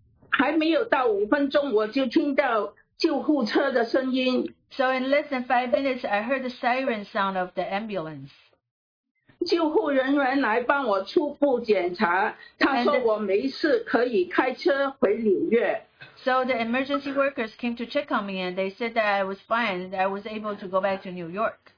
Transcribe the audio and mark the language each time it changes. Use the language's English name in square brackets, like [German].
[Chinese] 还没有到五分钟，我就听到救护车的声音。 [English] So in less than 5 minutes, I heard the siren sound of the ambulance. [Chinese] 救护人员来帮我初步检查，他说我没事，可以开车回纽约。 [English] So the emergency workers came to check on me and they said that I was fine, that I was able to go back to New York.